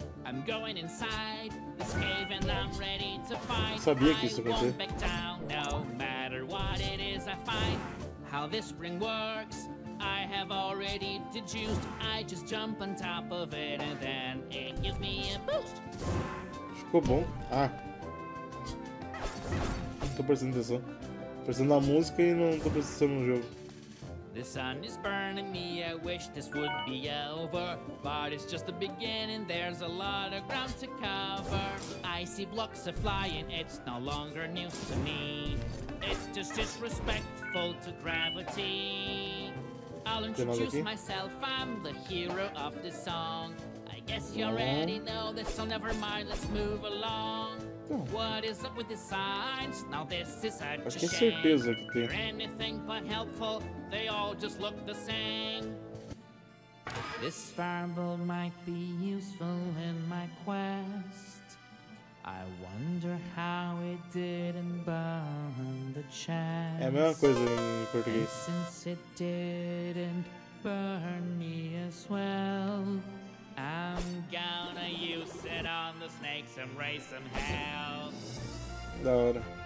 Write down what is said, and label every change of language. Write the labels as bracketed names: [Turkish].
[English] I'm going inside this cave, and I'm ready to fight. [Portuguese] Sabia que isso [English] I won't back down, no matter what it is I find. How this spring works, I have already deduced. I just jump on top of it and then it gives me a boost. [Portuguese] Ficou bom. Ah, tô prestando atenção. Prestando na música e não tô prestando no jogo. [English] The sun is burning me, I wish this would be over. But it's just the beginning, there's a lot of ground to cover. I see blocks of flying, it's no longer news to me. It's just disrespectful to gravity. I'll introduce myself, I'm the hero of this song. I guess you already know this, so never mind, let's move along. What is up with the signs? Now this is such a shame. They're anything but helpful, they all just look the same. This fireball might be useful in my quest. I wonder how it didn't burn the chest. [Portuguese] É a mesma coisa em português. [English] And since it didn't burn me as well, I'm gonna use it on the snakes and raise some hell. [Portuguese] Da hora.